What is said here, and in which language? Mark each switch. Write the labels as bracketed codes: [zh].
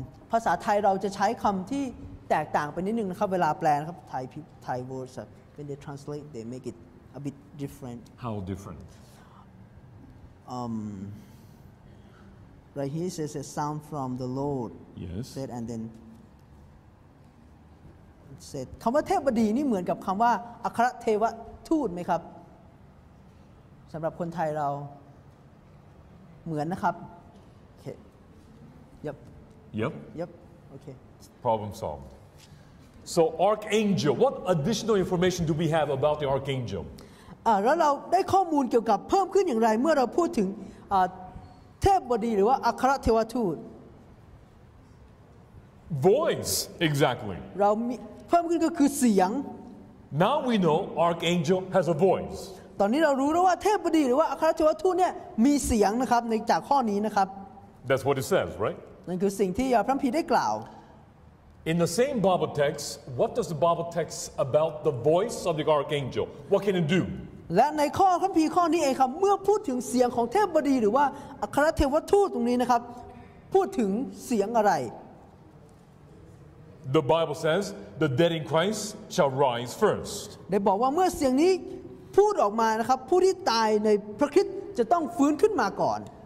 [th] ภาษาไทยเราจะใช้คำที่แตกต่างไปนิดนึงนะครับเวลาแปลนะครับไทย [en] words when they translate they make it a bit different How different Right here says a sound from the Lord. Yes. Said and then said. [th] คำว่าเทพบดีนี่เหมือนกับคำว่าอัครเทวทูตไหมครับ สำหรับคนไทยเราเหมือนนะครับโอเค ยับ โอเค [en] problem solved so archangel what additional information do we have about the archangel [th] แล้วเราได้ข้อมูลเกี่ยวกับเพิ่มขึ้นอย่างไรเมื่อเราพูดถึงเทพบดีหรือว่าอัครเทวทูต [en] voice exactly [th] เราเพิ่มขึ้นก็คือเสียง [en] now we know archangel has a voice [th] ตอนนี้เรารู้แล้วว่าเทพบดีหรือว่าอัครเทวทูตเนี่ยมีเสียงนะครับในจากข้อนี้นะครับ [en] That's what it says, right? [th] นั่นคือสิ่งที่พระคัมภีร์ได้กล่าว [en] In the same Bible text, what does the Bible text about the voice of the archangel? What can it do? [th] และในข้อพระคัมภีร์ข้อนี้เองครับเมื่อพูดถึงเสียงของเทพบดีหรือว่าอัครเทวทูตตรงนี้นะครับพูดถึงเสียงอะไร [en] The Bible says the dead in Christ shall rise first. [th] ได้บอกว่าเมื่อเสียงนี้พูดออกมานะครับผู้ที่ตายในพระคริสต์จะต้องฟื้นขึ้นมาก่อน